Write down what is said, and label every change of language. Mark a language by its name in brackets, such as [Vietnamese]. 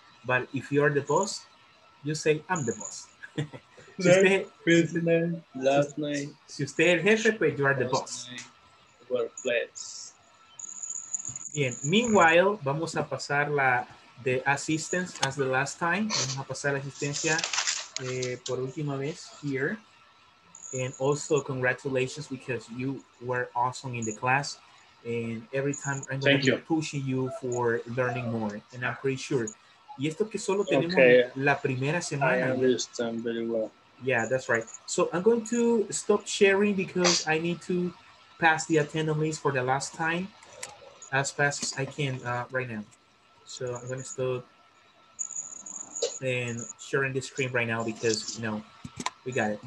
[English] But if you are the boss, you say, I'm the boss. [Spanish] Si usted es el jefe, pues [English] you are the boss. Workplace. Bien, meanwhile, [Spanish] vamos a pasar [English] the assistance as the last time. [Spanish] Vamos a pasar la asistencia por última vez here. [English] And also congratulations because you were awesome in the class. And every time I'm going to be pushing you for learning more. And I'm pretty sure. [Spanish] Y esto que solo tenemos la primera semana. [English] I understand very well. Yeah, that's right. So I'm going to stop sharing because I need to pass the attendance list for the last time. As fast as I can right now. So I'm going to stop and sharing the screen right now because, you know, we got it.